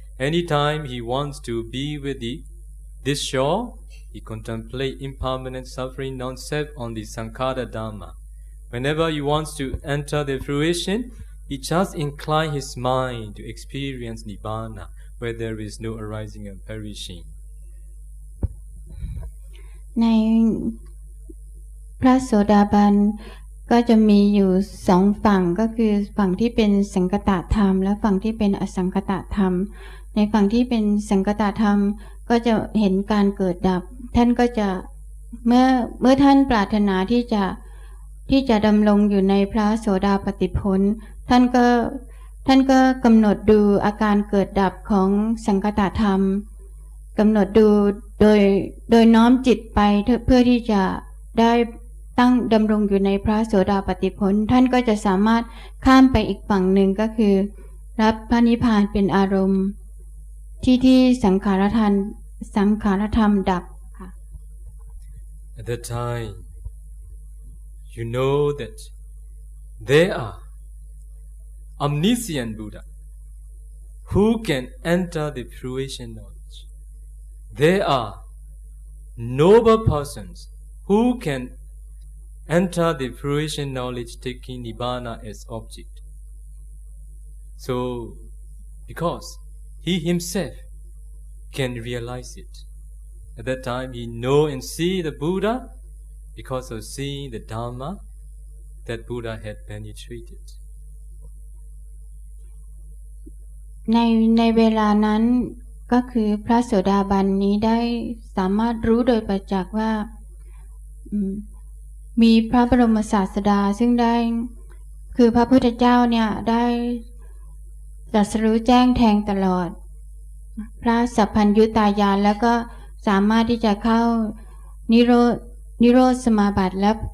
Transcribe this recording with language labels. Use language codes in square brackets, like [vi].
[en] Anytime he wants to be with this shore, he contemplates impermanent suffering non-self on the Sankhara Dhamma. Whenever he wants to enter the fruition, he just inclines his mind to experience Nibbana, where there is no arising and perishing. [th] ในพระโสดาบันก็จะมีอยู่สองฝั่งก็คือฝั่งที่เป็นสังคตธรรมและฝั่งที่เป็นอสังคตธรรมในฝั่งที่เป็นสังคตธรรมก็จะเห็นการเกิดดับท่านก็จะเมื่อท่านปรารถนาที่จะดำรงอยู่ในพระโสดาปัตติผลท่านก็กำหนดดูอาการเกิดดับของสังคตธรรมกำหนดดู โดยน้อมจิตไปเพื่อที่จะได้ตั้งดำรงอยู่ในพระโสดาปัตติผลท่านก็จะสามารถข้ามไปอีกฝั่งหนึ่งก็คือรับพระนิพพานเป็นอารมณ์ที่สังขารธรรมดับค่ะ [en] At that time you know that there are omniscient Buddha who can enter the fruition knowledgeThere are noble persons who can enter the fruition knowledge taking Nibbana as object. So, because he himself can realize it. At that time, he know and see the Buddha because of seeing the Dhamma that Buddha had penetrated. [th] ในเวลานั้นก็คือพระโสดาบันนี้ได้สามารถรู้โดยประจักษ์ว่ามีพระบรมศาสดาซึ่งได้คือพระพุทธเจ้าเนี่ยได้ตรัสรู้แจ้งแทงตลอดพระสัพพัญญุตญาณแล้วก็สามารถที่จะเข้านิโรธสมาบัติและ